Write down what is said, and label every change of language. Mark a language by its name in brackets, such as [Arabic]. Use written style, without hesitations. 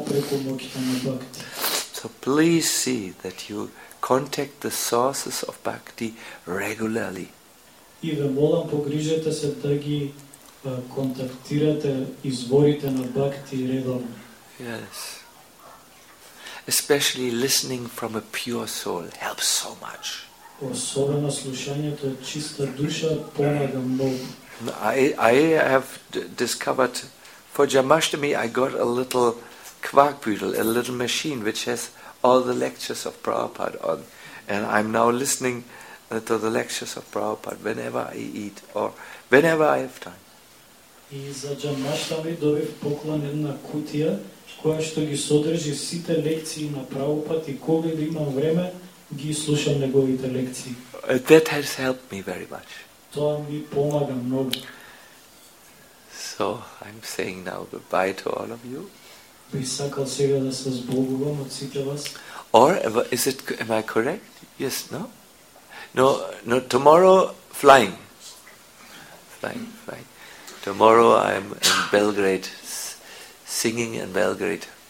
[English] So please see that you contact the sources of bhakti regularly. [Macedonian] И ве молам погрижете се да ги контактирате изворите на бхакти редовно. [English] Yes. Especially listening from a pure soul helps so much. [Macedonian] Особено слушањето од чиста душа помага многу. [English] I have discovered for Jamashtami I got a little Quarkbüttel, a little machine which has all the lectures of Prabhupada on, and I'm now listening to the lectures of Prabhupada whenever I eat or whenever I have time. [Macedonian] И за Джамаштами добив поклон една кутија која што ги содржи сите лекции на Прабхупад и кога имам време ги слушам неговите лекции. [English] That has helped me very much. [Macedonian] Тоа ми помага многу. [English] So I'm saying now goodbye to all of you. [Macedonian] Би сакал сега да се збогувам од сите вас. [English] Or is it, am I correct? Yes, no? No, tomorrow flying. Tomorrow I'm in Belgrade, singing in Belgrade.